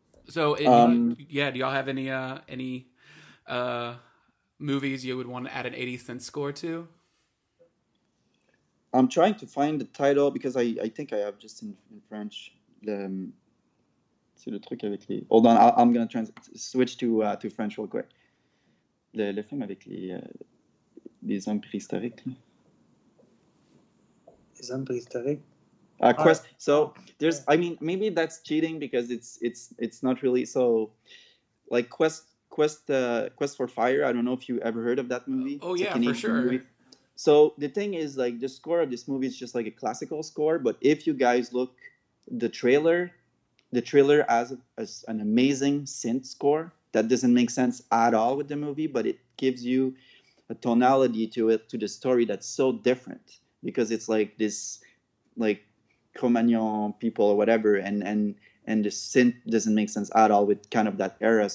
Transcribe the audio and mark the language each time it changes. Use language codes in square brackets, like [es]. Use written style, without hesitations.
[en] So, do y'all have any movies you would want to add an 80 cent score to? I'm trying to find the title because I think I have just in French. [fr] C'est le truc avec les. [en] Hold on, I'm gonna switch to French real quick. [fr] Le film avec les hommes préhistoriques. Les hommes préhistoriques. [en] Quest. So there's. I mean, maybe that's cheating because it's not really so. Like Quest for Fire. I don't know if you ever heard of that movie. Oh yeah, for sure. So the thing is, like, the score of this movie is just like a classical score. But if you guys look the trailer has as an amazing synth score that doesn't make sense at all with the movie, but it gives you a tonality to it, to the story that's so different because it's like this, like Cro-Magnon people or whatever, and the synth doesn't make sense at all with kind of that era.